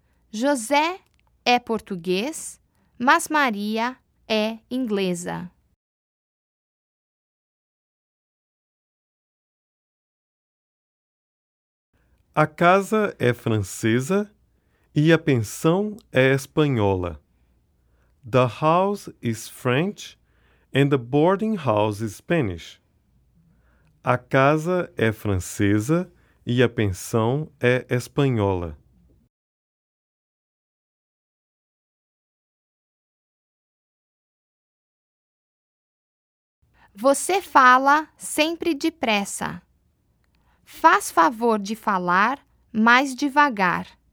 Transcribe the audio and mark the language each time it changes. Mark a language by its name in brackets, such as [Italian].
[Portuguese] José é português, mas Maria é inglesa. A casa é francesa e a pensão é espanhola. [English] The house is French and the boarding house is Spanish. [Portuguese] A casa é francesa e a pensão é espanhola. Você fala sempre depressa. Faz favor de falar mais devagar.